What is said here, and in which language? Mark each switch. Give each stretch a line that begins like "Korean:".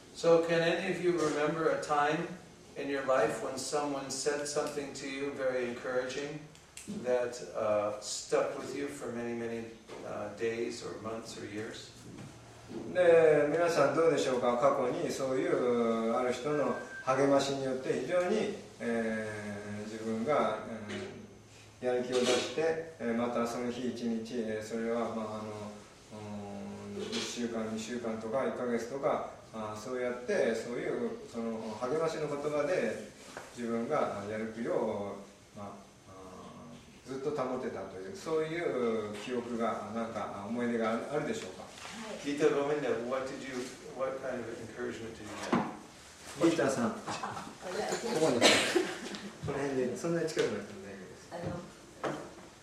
English: So can any of you remember a time in your life when someone said something to you very encouraging that stuck with you for many, many days or months or years?
Japanese: で、皆さんどうでしょうか。過去にそういうある人の励ましによって非常に、自分が、やる気を出して、またその日一日、それは、まあ、あの1週間、2週間とか1ヶ月とか、そうやってそういうその励ましの言葉で自分がやる気を、まあ、ずっと保てたという、そういう記憶が、なんか思い出があるでしょうか。
English: Gita Govinda, what did you, what kind of encouragement did you get?
Japanese: Gita さん、ここに、この辺で、そんなに近くなくても大丈夫です。